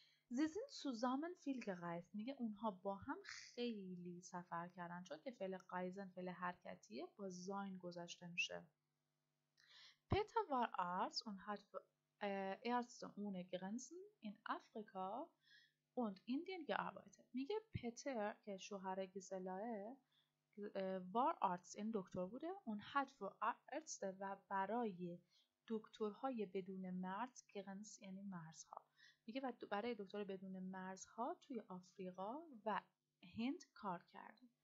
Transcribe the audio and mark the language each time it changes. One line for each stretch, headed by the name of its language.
German: Sie sind zusammen viel gereist,
Persian: میگه اونها با هم خیلی سفر کردن چون که فعل reisen فعل حرکتیه با sein گذشته میشه.
German: Peter war Arzt und hat Ärzte ohne Grenzen in Afrika und Indien gearbeitet.
Persian: میگه Peter که شوهر گیزلاه
German: war Arzt in
Persian: دکتر بوده
German: und hat für Ärzte
Persian: و برای دکترهای بدون مرز گرنس یعنی مرزها میگه و برای دکتر بدون مرزها توی آفریقا و هند کار کرد.